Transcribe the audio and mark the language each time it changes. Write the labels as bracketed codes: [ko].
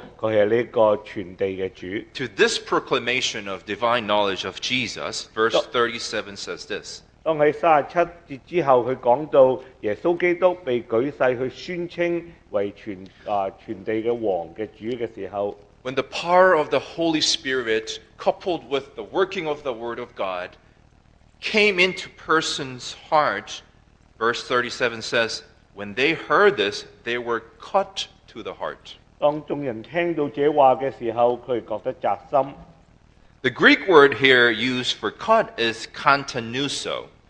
[zh] 但唯有这样的时候,神去宣告他是这个全地的主。 [en] To this proclamation of divine knowledge of Jesus, verse 37 says this. [zh] 当在37节之后,他讲到耶稣基督被举世去宣称为全地的王的主的时候, [en] When the power of the Holy Spirit, coupled with the working of the Word of God, came into person's heart, verse 37 says, When they heard this, they were cut to the heart. The Greek word here used for cut is kantanouso.